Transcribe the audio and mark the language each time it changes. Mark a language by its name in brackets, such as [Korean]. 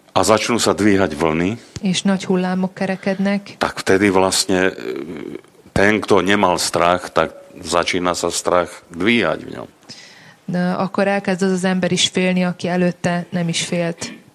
[Slovak] A začnú sa dvíhať vlny. [Hungarian] És nagy hullámok kerekednek. [Slovak] Tak vtedy vlastne ten, kto nemal strach, tak začína sa strach dvíhať v ňom. [Hungarian] No, akkor elkezd az az ember is félni, aki előtte nem is félt.